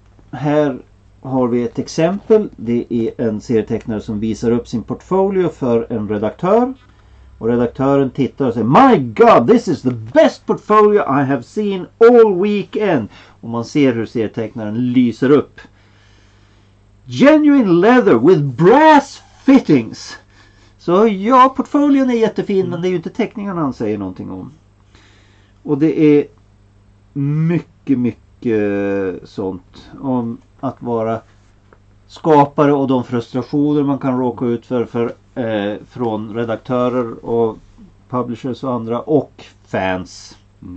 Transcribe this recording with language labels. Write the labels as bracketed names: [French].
[Swedish] Här har vi ett exempel. Det är en serietecknare som visar upp sin portfolio för en redaktör. Och redaktören tittar och säger: [English] My God, this is the best portfolio I have seen all weekend. [Swedish] Och man ser hur serietecknaren lyser upp. [English] Genuine leather with brass fittings. [Swedish] Så ja, portföljen är jättefin, men det är ju inte teckningarna han säger någonting om. Och det är mycket, mycket sånt om att vara skapare och de frustrationer man kan råka ut från redaktörer och publishers och andra och fans. Mm.